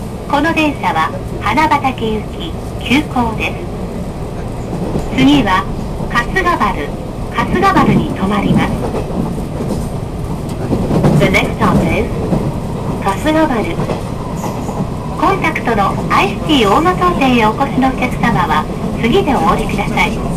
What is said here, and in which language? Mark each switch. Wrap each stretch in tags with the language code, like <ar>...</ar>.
<ja>この電車は花畑行き急行です。次は春日丸に停まります。</ja> <en>The next stop is 春日丸。</en> <ja>コンタクトのアイスティー大間商店へお越しのお客様は次でお降りください。</ja>